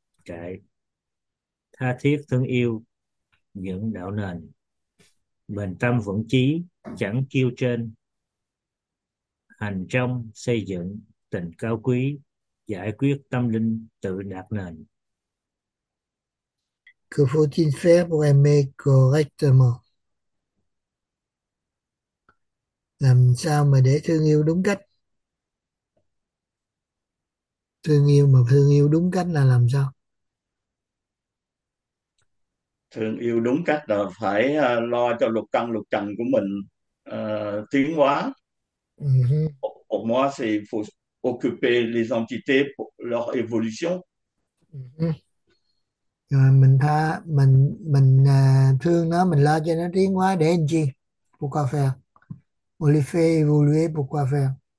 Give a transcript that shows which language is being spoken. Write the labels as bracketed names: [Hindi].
[Vietnamese] Kệ, tha thiết thương yêu những đạo nền, bền tâm vững chí chẳng kêu trên, hành trong xây dựng tình cao quý, giải quyết tâm linh tự đạt nền. [French] Que faut-il faire pour aimer correctement? [Vietnamese] Làm sao mà để thương yêu đúng cách? Thương yêu mà thương yêu đúng cách là làm sao? Thương yêu đúng cách là phải lo cho lục căn lục trần của mình tiến hóa. [French] Pour moi, c'est faut occuper les entités pour leur évolution. [Vietnamese] Rồi mình tha mình thương nó, mình lo cho nó tiến hóa để làm chi? [French] Pourquoi faire? On les fait évoluer, pourquoi faire?